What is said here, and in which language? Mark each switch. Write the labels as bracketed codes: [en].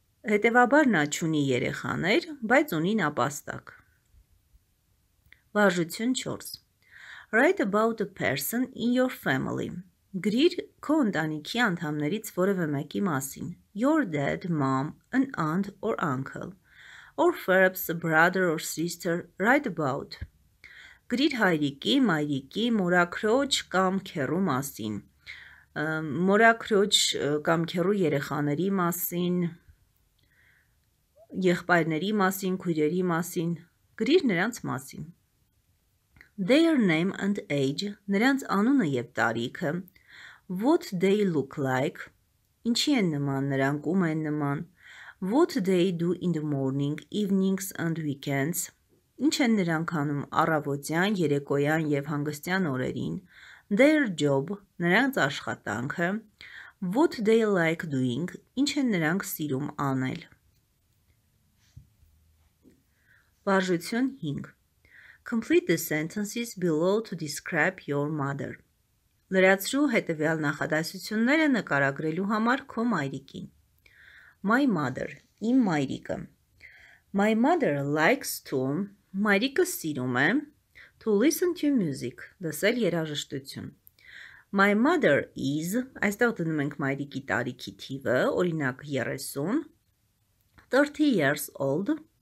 [hy] Հետևաբար նա չունի երեխաներ, բայց ունի նապաստակ։ Վարժություն 4. [en] Write about a person in your family. [hy] Գրիր քո ընտանիքի անդամներից որևէ մեկի մասին. [en] Your dad, mom, an aunt or uncle. Or perhaps a brother or sister, write about. [hy] Գրիր հայրիկի, մայրիկի, մորաքրոջ կամ քեռու մասին, մորաքրոջ կամ քեռու երեխաների մասին, եղբայրների մասին, քույրերի մասին, գրիր նրանց մասին։ [en] Their name and age, [hy] նրանց անունը և տարիքը, [en] what they look like, [hy] ինչի են նման նրանք, ում են նման, [en] what they do in the morning, evenings and weekends, [hy] ինչ են նրանք անում առավոտյան, երեկոյան և հանգստյան օրերին, [en] their job, [hy] նրանց աշխատանքը, [en] what they like doing, [hy] ինչ են նրանք սիրում անել։ Վարժություն 5. [en] Complete the sentences below to describe your mother. [hy] Լրացրու հետևյալ նախադասությունները նկարագրելու համար քո մայրիկին։ [en] My mother, [hy] իմ մայրիկը։ [en] My mother likes to… [hy] Մայրիկը սիրում է [en] to listen to music, [hy] լսել երաժշտություն։ [en] My mother is, [hy] այստեղ դնում ենք մայրիկի տարիքի թիվը, օրինակ 30, [en] 30 years old.